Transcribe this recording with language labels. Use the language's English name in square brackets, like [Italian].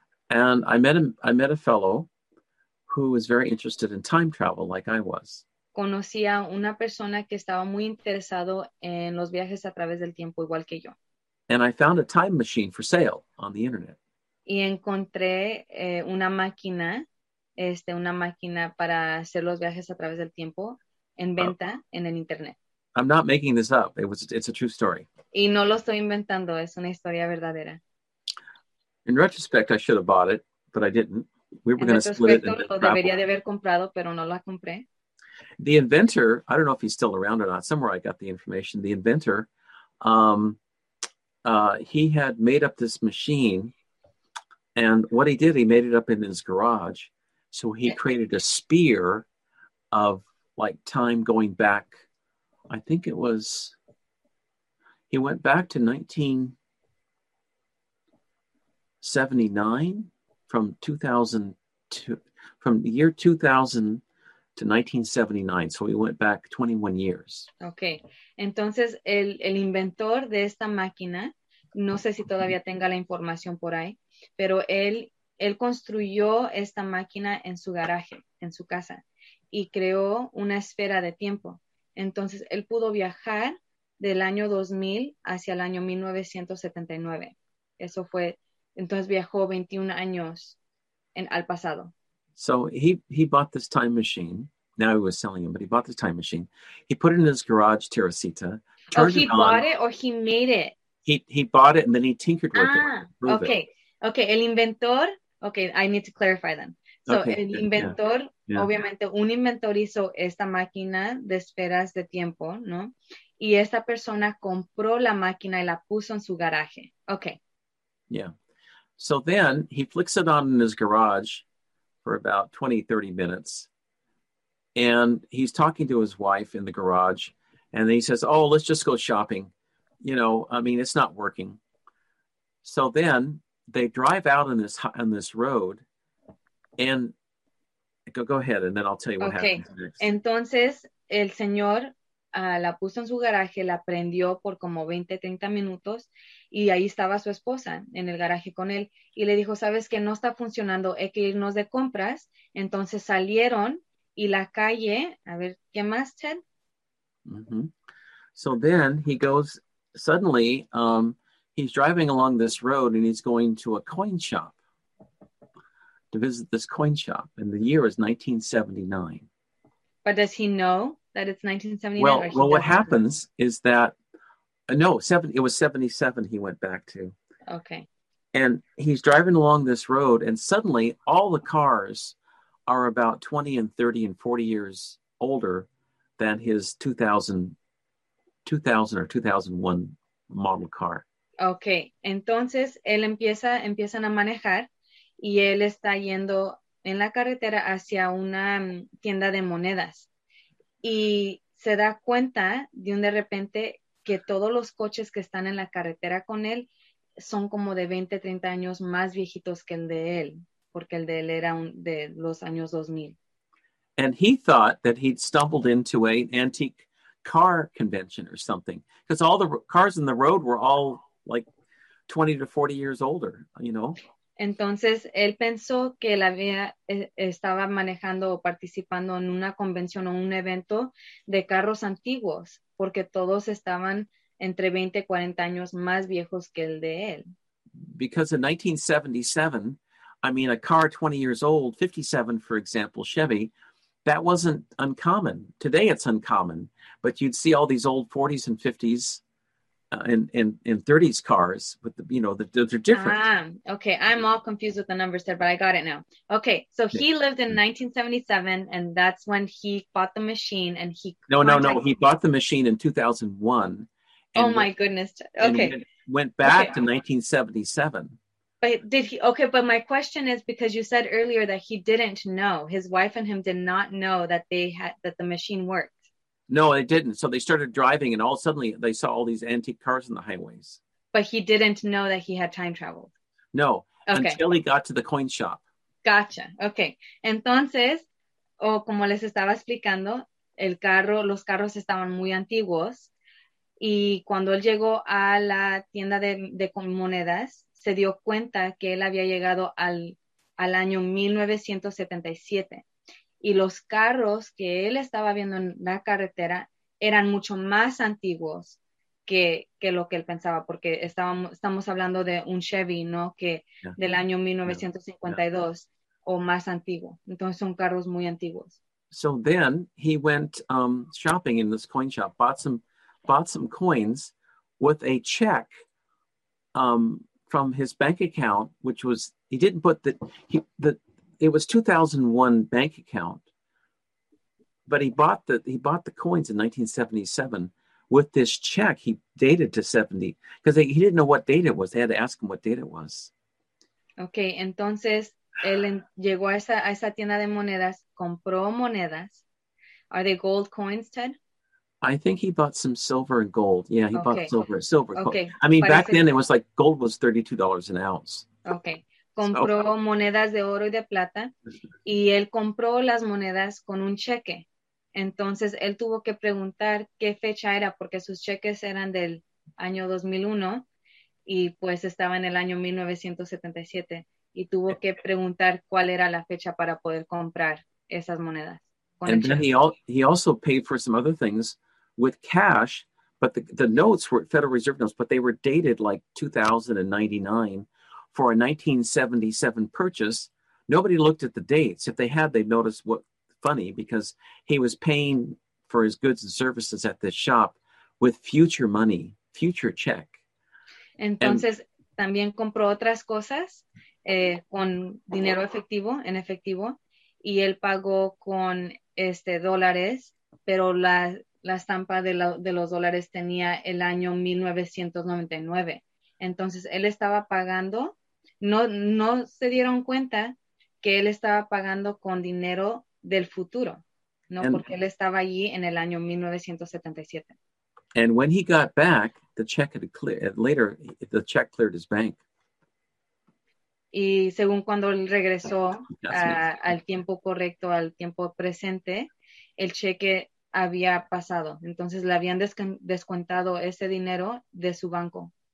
[English] And I met a fellow who was very interested in time travel, like I was. [Spanish] Conocí a una persona que estaba muy interesado en los viajes a través del tiempo, igual que yo. [English] And I found a time machine for sale on the internet. [Spanish] Y encontré una máquina para hacer los viajes a través del tiempo en venta en el internet. [English] I'm not making this up. It's a true story. [Spanish] Y no lo estoy inventando, es una historia verdadera. [English] In retrospect, I should have bought it, but I didn't. We were [Spanish] En [English] going to split it [Spanish] retrospecto, [English] and then [Spanish] lo [English] travel. [Spanish] debería de haber comprado, pero no lo compré. [English] The inventor, I don't know if he's still around or not, somewhere I got the information. The inventor, he had made up this machine, and what he did, he made it up in his garage. So he created a spear of like time going back. I think it was, he went back to 1979 from 2000 to, from the year 2000 to 1979. So he went back 21 years. Okay. [Spanish] Entonces, el inventor de esta máquina, no sé si todavía tenga la información por ahí, pero él construyó esta máquina en su garaje, en su casa, y creó una esfera de tiempo. Entonces, él pudo viajar del año 2000 hacia el año 1979. Eso fue, entonces viajó 21 años al pasado. [English] So he bought this time machine. Now he was selling him, but he bought this time machine. He put it in his garage, Teresita. Oh, he bought it or he made it? He bought it and then he tinkered with it. Okay. Okay, [Spanish] el inventor. [English] Okay, I need to clarify then. So okay, [Spanish] el inventor, obviamente, un inventor hizo esta máquina de esferas de tiempo, ¿no? Y esta persona compró la máquina y la puso en su garaje. [English] Okay. Yeah. So then he flicks it on in his garage for about 20, 30 minutes. And he's talking to his wife in the garage. And then he says, oh, let's just go shopping. You know, I mean, it's not working. So then they drive out on this road. And go ahead, and then I'll tell you what happens next. [Spanish] Entonces, el señor la puso en su garaje, la prendió por como 20, 30 minutos, y ahí estaba su esposa en el garaje con él. Y le dijo, sabes que no está funcionando, hay que irnos de compras. Entonces salieron, y la calle, a ver, ¿qué más, Ted? Mm-hmm. [English] So then he goes, suddenly, he's driving along this road, and he's going to a coin shop. To visit this coin shop, and the year is 1979. But does he know that it's 1979? Well, what happens is that it was 77 he went back to. Okay. And he's driving along this road, and suddenly all the cars are about 20 and 30 and 40 years older than his 2000 or 2001 model car. [Spanish] Okay. Entonces él empiezan a manejar. Y él está yendo en la carretera hacia una tienda de monedas. Y se da cuenta de repente que todos los coches que están en la carretera con él son como de 20, 30 años más viejitos que el de él. Porque el de él era de los años 2000. [English] And he thought that he'd stumbled into an antique car convention or something. Because all the cars in the road were all like 20 to 40 years older, you know. [Spanish] Entonces, él pensó que él estaba manejando o participando en una convención o un evento de carros antiguos, porque todos estaban entre 20 y 40 años más viejos que el de él. [English] Because in 1977, I mean, a car 20 years old, 57, for example, Chevy, that wasn't uncommon. Today it's uncommon, but you'd see all these old 40s and 50s. In 30s cars, but the, you know, those are different. Okay, I'm all confused with the numbers there, but I got it now. Okay, so he lived in 1977, and that's when he bought the machine, and he... No, he bought the machine in 2001. And oh my goodness, okay. And went back to 1977. But did he... Okay, but my question is, because you said earlier that he didn't know, his wife and him did not know that they had, that the machine worked. No, it didn't. So they started driving and all suddenly they saw all these antique cars on the highways. But he didn't know that he had time traveled. No, until he got to the coin shop. Gotcha. Okay. [Spanish] Entonces, como les estaba explicando, los carros estaban muy antiguos. Y cuando él llegó a la tienda de monedas, se dio cuenta que él había llegado al año 1977. Y los carros que él estaba viendo en la carretera eran mucho más antiguos que lo que él pensaba, porque estamos hablando de un Chevy, ¿no? Que del año 1952 o más antiguo. Entonces son carros muy antiguos. [English] So then he went shopping in this coin shop, bought some coins with a check from his bank account, which was, he didn't put the, he, the, it was 2001 bank account, but he bought the coins in 1977 with this check. He dated to 70 because he didn't know what date it was. They had to ask him what date it was. [Spanish] Okay, entonces él llegó a esa tienda de monedas, compró monedas. [English] Are they gold coins, Ted? I think he bought some silver and gold. Yeah, he bought silver. Silver. Okay. I mean, back then it was like gold was $32 an ounce. [Spanish] Okay. Compró monedas de oro y de plata. Y él compró las monedas con un cheque. Entonces, él tuvo que preguntar qué fecha era porque sus cheques eran del año 2001 y pues estaba en el año 1977. Y tuvo que preguntar cuál era la fecha para poder comprar esas monedas. [English] And then he also paid for some other things with cash, but the notes were Federal Reserve notes, but they were dated like 2099 for a 1977 purchase. Nobody looked at the dates. If they had, they'd notice what funny, because he was paying for his goods and services at this shop with future money, future check. [Spanish] Entonces, también compró otras cosas con dinero efectivo, en efectivo, y él pagó con dólares, pero la estampa de los dólares tenía el año 1999. Entonces, él estaba pagando, no se dieron cuenta que él estaba pagando con dinero del futuro, ¿no? And, porque él estaba allí en el año 1977. [English] And when he got back, the check had cleared, later, the check cleared his bank. [Spanish] Y según cuando él regresó al tiempo correcto, al tiempo presente, el cheque había pasado. Entonces le habían descuentado ese dinero de su banco.